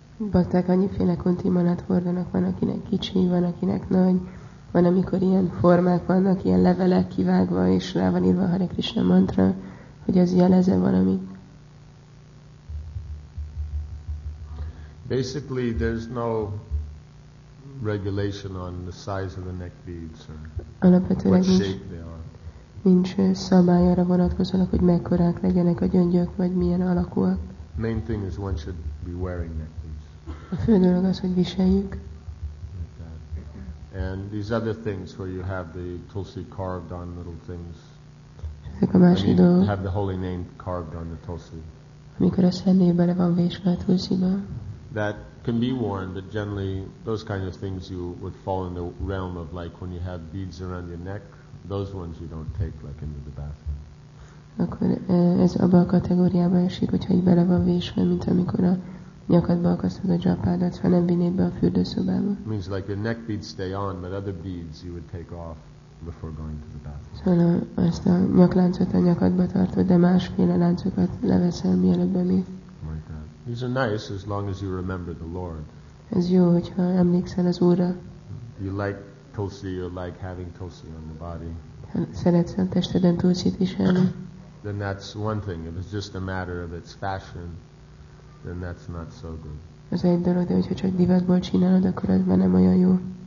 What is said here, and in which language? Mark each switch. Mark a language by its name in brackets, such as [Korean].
[Hungarian] Bakták annyiféle kunti manát hordanak, van akinek kicsi, van akinek nagy, van amikor ilyen formák vannak, ilyen levelek kivágva, és rá van írva a Hare Krishna mantra, hogy az jelezze valami. [English] Basically, there's no regulation on the size of the neck beads, or what shape they are. [Hungarian] Nincs szabály arra vonatkozóan, hogy mekkorák legyenek a gyöngyök, vagy milyen alakúak. [English] Main thing is one should be wearing neck. [Hungarian] A fő dolog az, hogy viseljük. [English] And these other things where you have the tulsi carved on little things. [Hungarian] Ezek a másik dolgok. [English] You have the holy name carved on the tulsi. [Hungarian] Amikor a szentnév bele van vésve a tulsiba. [English] That can be worn, but generally those kind of things you would fall in the realm of like when you have beads around your neck, those ones you don't take like into the bathroom. [Hungarian] Akkor ez abba a kategóriába esik, hogyha így bele van vésve, mint amikor a nyakadba akasztod a japádat, ha nem vinnéd be a fürdőszobába. [English] Means like your neck beads stay on, but other beads you would take off before going to the bathroom. [Hungarian] Szóval ezt a nyakláncot a nyakadba tartod, de másféle láncokat leveszel, mielőtt bemész. [English] These are nice as long as you remember the Lord. [Hungarian] Ez jó, hogyha emlékszel az Úrra. [English] You like tulsi, you like having tulsi on the body. [Hungarian] Szeretsz a testeden tulsit viselni. [English] Then that's one thing. If it's just a matter of its fashion, then that's not so good. [Hungarian] Ez egy dolog, de hogyha csak divatból csinálod, akkor ez már nem olyan jó.